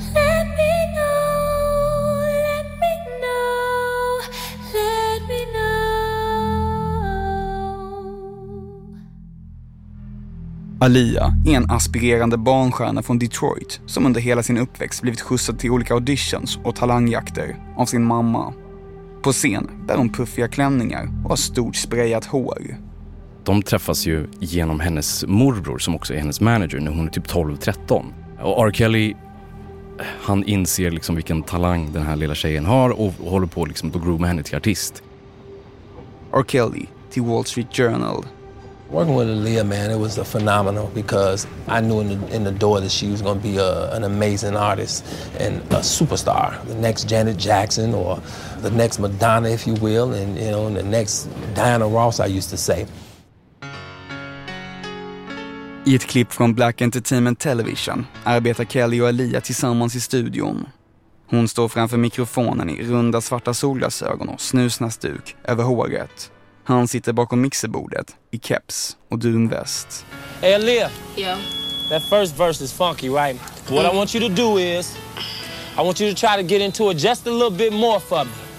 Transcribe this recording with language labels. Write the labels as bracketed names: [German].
[English] Let me know, let me know, let me know. [Swedish] Aaliyah är en aspirerande barnstjärna från Detroit som under hela sin uppväxt blivit skjutsad till olika auditions och talangjakter av sin mamma. På scen bär hon puffiga klänningar och har stort sprayat hår. De träffas ju genom hennes morbror som också är hennes manager när hon är typ 12-13. Och R. Kelly, han inser liksom vilken talang den här lilla tjejen har och håller på liksom att grooma henne till artist. R. Kelly till Wall Street Journal. Working with Aaliyah, man, it was a phenomenal because I knew in the door that she was going to be an amazing artist and a superstar, the next Janet Jackson or the next Madonna, if you will, and you know, and the next Diana Ross, I used to say. I ett klipp från Black Entertainment Television arbetar Kelly och Aaliyah tillsammans i studion. Hon står framför mikrofonen i runda svarta solglasögon och snusnäsduk över håret. Han sitter bakom mixerbordet i keps och dunväst. [English] Hey Aaliyah. Yeah. That first verse is funky, right? What I want you to do is I want you to try to get into it just a little bit more for me.